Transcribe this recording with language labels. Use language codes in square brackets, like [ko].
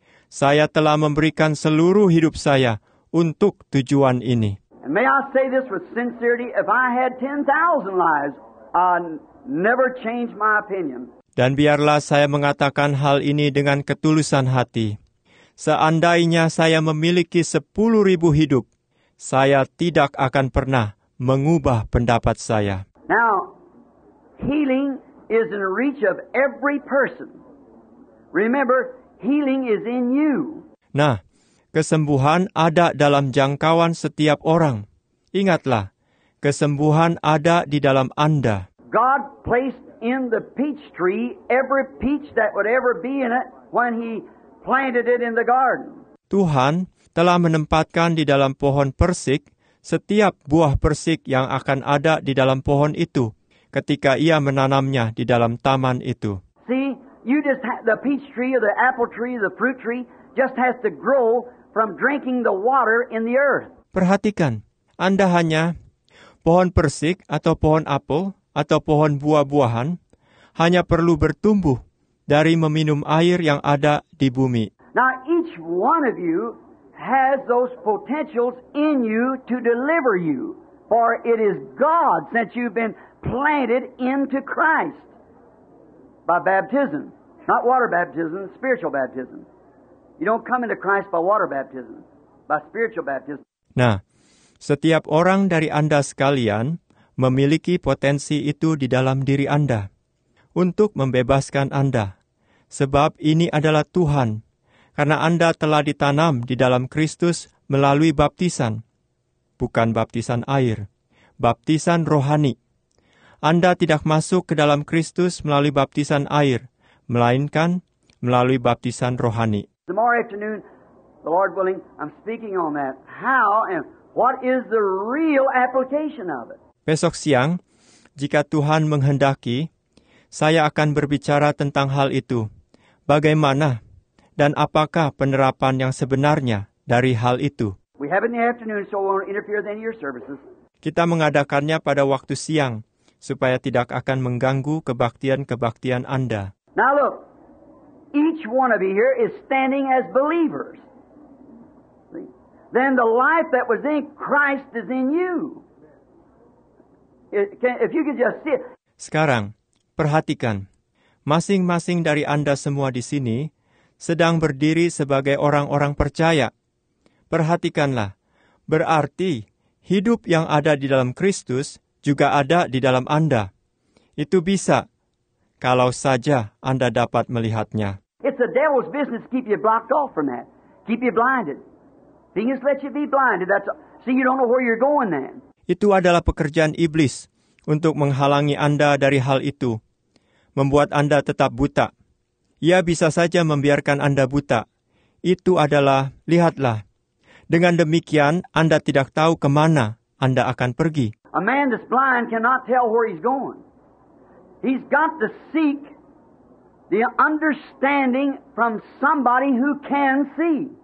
[id] Saya telah memberikan seluruh hidup saya untuk tujuan ini. [en] And may I say this with sincerity, if I had 10,000 lives, I'd never change my opinion. [id] Dan biarlah saya mengatakan hal ini dengan ketulusan hati. Seandainya saya memiliki 10,000 hidup, saya tidak akan pernah mengubah pendapat saya. [en] Now, healing is in reach of every person. Remember, healing is in you. [id] Nah, kesembuhan ada dalam jangkauan setiap orang. Ingatlah, kesembuhan ada di dalam Anda. [en] God placed in the peach tree every peach that would ever be in it when He planted it in the garden. [id] Tuhan telah menempatkan di dalam pohon persik setiap buah persik yang akan ada di dalam pohon itu ketika Ia menanamnya di dalam taman itu. [en] See, you just the peach tree or the apple tree, the fruit tree just has to grow from drinking the water in the earth. [id] Perhatikan, Anda hanya pohon persik atau pohon apel atau pohon buah-buahan hanya perlu bertumbuh dari meminum air yang ada di bumi. [en] Now each one of you has those potentials in you to deliver you, for it is God since you've been planted into Christ by baptism, not water baptism, spiritual baptism. You don't come into Christ by water baptism, by spiritual baptism. [id] Nah, setiap orang dari Anda sekalian memiliki potensi itu di dalam diri Anda untuk membebaskan Anda. Sebab ini adalah Tuhan, karena Anda telah ditanam di dalam Kristus melalui baptisan. Bukan baptisan air, baptisan rohani. Anda tidak masuk ke dalam Kristus melalui baptisan air, melainkan melalui baptisan rohani. [en] Tomorrow afternoon, the Lord willing, I'm speaking on that. How and what is the real application of it? [id] Besok siang, jika Tuhan menghendaki, saya akan berbicara tentang hal itu. Bagaimana dan apakah penerapan yang sebenarnya dari hal itu? [en] We have it in the afternoon, so we won't interfere with any of your services. [id] Kita mengadakannya pada waktu siang, supaya tidak akan mengganggu kebaktian-kebaktian Anda. [en] Now look, each one of you here is standing as believers. Then the life that was in Christ is in you. If you could just see. [id] Sekarang, perhatikan. Masing-masing dari Anda semua di sini sedang berdiri sebagai orang-orang percaya. Perhatikanlah, berarti hidup yang ada di dalam Kristus juga ada di dalam Anda. Itu bisa, kalau saja Anda dapat melihatnya. [en] It's the devil's business to keep you blocked off from that. Keep you blinded. Thing is, let you be blinded. See, you don't know where you're going then. [id] Itu adalah pekerjaan iblis untuk menghalangi Anda dari hal itu, membuat Anda tetap buta. Ia bisa saja membiarkan Anda buta. Itu adalah, lihatlah, dengan demikian Anda tidak tahu ke mana Anda akan pergi. [en] A man that's blind cannot tell where he's going. He's got to seek the understanding from somebody who can see.